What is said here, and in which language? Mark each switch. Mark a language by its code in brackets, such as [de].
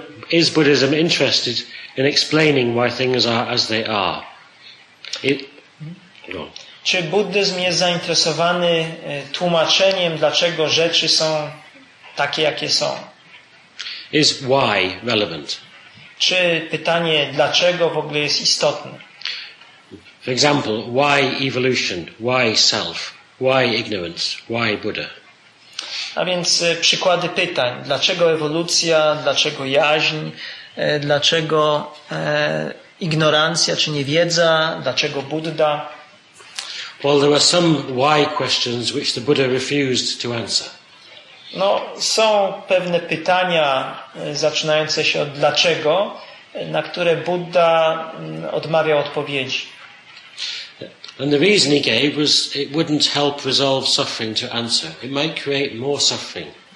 [en] Is Buddhism interested in explaining why things are as they are? [pl] Czy buddyzm jest zainteresowany tłumaczeniem, dlaczego rzeczy są takie, jakie są? [en] Is why relevant? [pl] Czy pytanie dlaczego w ogóle jest istotne? [en] For example, why evolution? Why self? Why ignorance? Why Buddha? [pl] A więc przykłady pytań. Dlaczego ewolucja? Dlaczego jaźń? Dlaczego ignorancja czy niewiedza? Dlaczego Budda? [en] Well, there were some why questions which the Buddha refused to answer. [pl] No, są pewne pytania zaczynające się od dlaczego, na które Budda odmawiał odpowiedzi. [en] And the reason he gave was it wouldn't help resolve suffering to answer. It might create more suffering.